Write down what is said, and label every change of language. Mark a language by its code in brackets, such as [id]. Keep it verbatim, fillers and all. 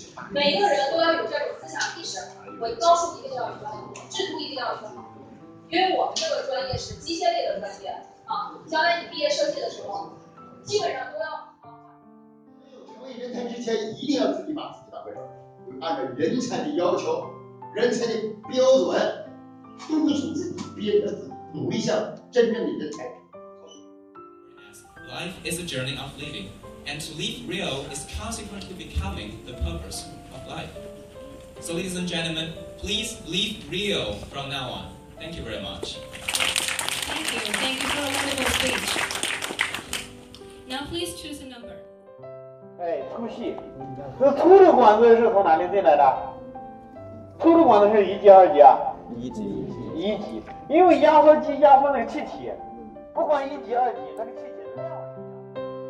[zh] 每一个人都要有这种思想意识，我高数一定要学，制度一定要学，因为我们这个专业是机械类的专业啊，将来你毕业设计的时候，基本上都要。成为人才之前，一定要自己把自己打回来，按照人才的要求、人才的标准，督促自己，逼着自己努力向真正的人才。 [en] Life is a journey of living, and to live real is consequently becoming the purpose of life. So, ladies and gentlemen, please live real from now on. Thank you very much. Thank you. Thank you for a wonderful speech. Now, please choose a number. [zh] 哎，粗细，那粗的管子是从哪里进来的？粗的管子是一级、二级啊？一级，一级，因为压缩机压缩那个气体，不管一级、二级，那个气体。